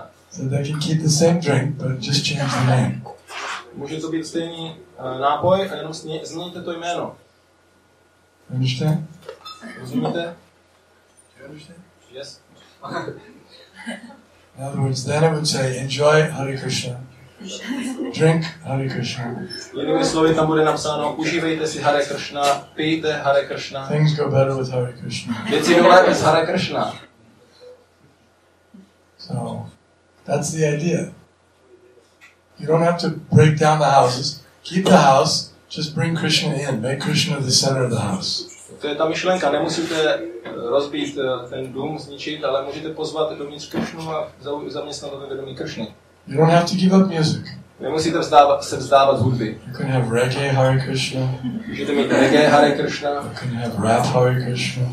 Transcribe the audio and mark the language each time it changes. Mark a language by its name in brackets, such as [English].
[English] So they can keep the same drink, but just change the name. [Czech] Může to být stejný nápoj, a jenom změníte to jméno. [English] Understand? [Czech] Rozumíte? [English] Yes. In other words, then I would say, enjoy Hare Krishna, drink Hare Krishna. [Czech] Jinými slovy tam bude napsáno, užívejte si Hare Krishna, pijte Hare Krishna. [English] Things go better with Hare Krishna. [Czech] Věci jdou lépe s Hare Krishna. [English] So, that's the idea. You don't have to break down the houses. Keep the house, just bring Krishna in. Make Krishna the center of the house. [Czech] To je ta myšlenka, nemusíte rozbít ten dům, zničit, ale můžete pozvat dovnitř Kršnu a zaměstnat ve vědomí Kršny. [English] You don't have to give up music. [Czech] Nemusíte se vzdávat hudby. [English] You can have reggae Hare Krishna. [Czech] Můžete mít reggae Hare Krishna. [English] You can have rap Hare Krishna.